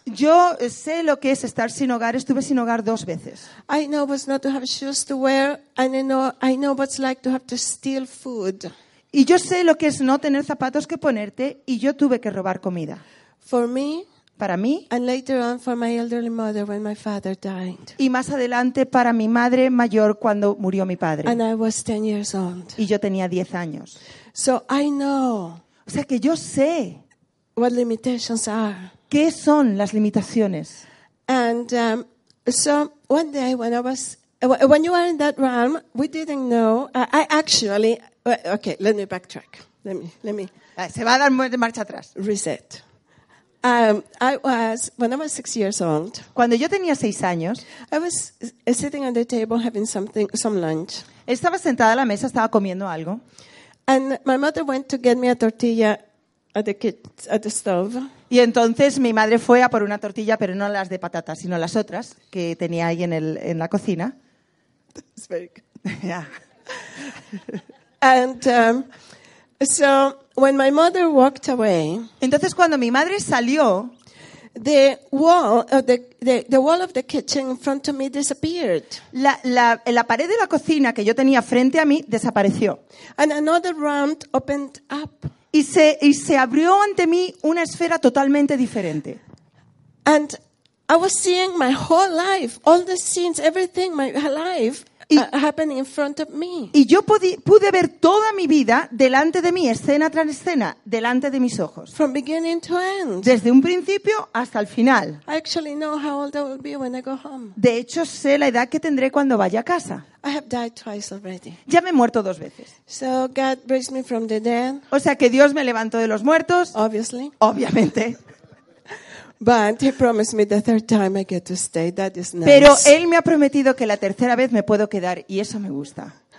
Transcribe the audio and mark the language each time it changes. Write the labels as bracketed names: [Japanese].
[Spanish] Yo sé lo que es estar sin hogar. Estuve sin hogar dos veces. [English] I know what's not to have shoes to wear, and I know what's like to have to steal food. [Spanish] Y yo sé lo que es no tener zapatos que ponerte, y yo tuve que robar comida. [English] For me, [Spanish] para mí, [English] and later on for my elderly mother when my father died. [Spanish] Y más adelante para mi madre mayor cuando murió mi padre. [English] And I was 10 years old. [Spanish] Y yo tenía 10 años. [English] So I know. [Spanish] O sea que yo sé [English] what limitations are. [Spanish] ¿Qué son las limitaciones? [English] And one day when I was when you were in that realm, we didn't know. I actually okay, let me backtrack. Let me. [Spanish] Se va a dar marcha atrás. [English] Reset. When I was 6 years old. [Spanish] Cuando yo tenía 6 años, [English] I was sitting on the table having something, some lunch. [Spanish] Estaba sentada a la mesa, estaba comiendo algo. [English] And my mother went to get me a tortilla at the stove. [Spanish] Y entonces mi madre fue a por una tortilla, pero no las de patatas, sino las otras que tenía ahí en la cocina. [English] That's very good. Yeah. And so when my mother walked away. [Spanish] Entonces cuando mi madre salió, [English] the wall of the kitchen in front of me disappeared. [Spanish] La pared de la cocina que yo tenía frente a mí desapareció. [English] And another round opened up. [Spanish] Y se abrió ante mí una esfera totalmente diferente. [English] And I was seeing my whole life, all the scenes, everything, my life. Happening in front of me. [Spanish] Y yo pude ver toda mi vida delante de mí, escena tras escena, delante de mis ojos. [English] From beginning to end. [Spanish] Desde un principio hasta el final. [English] I actually know how old I will be when I go home. [Spanish] De hecho, sé la edad que tendré cuando vaya a casa. [English] I have died twice already. [Spanish] Ya me he muerto dos veces. [English] So God raised me from the dead. [Spanish] O sea que Dios me levantó de los muertos. [English] Obviously. [Spanish] Obviamente. [English] But he promised me the third time I get to stay. That is nice. [Spanish] Pero él me ha prometido que la tercera vez me puedo quedar y eso me gusta.